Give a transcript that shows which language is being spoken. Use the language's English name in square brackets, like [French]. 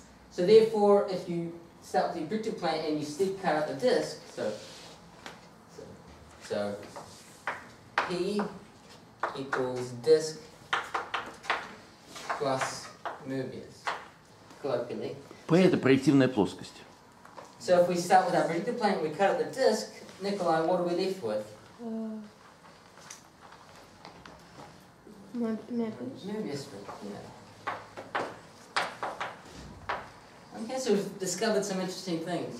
[English] So therefore, if you start with the projective plane and you still cut out the disc, so P equals disc plus Möbius. [Russian] P — это проективная плоскость. [English] So if we start with our projective plane and we cut out the disc, Nikolai, what are we left with? Möbius. Yeah. Okay, so we've discovered some interesting things.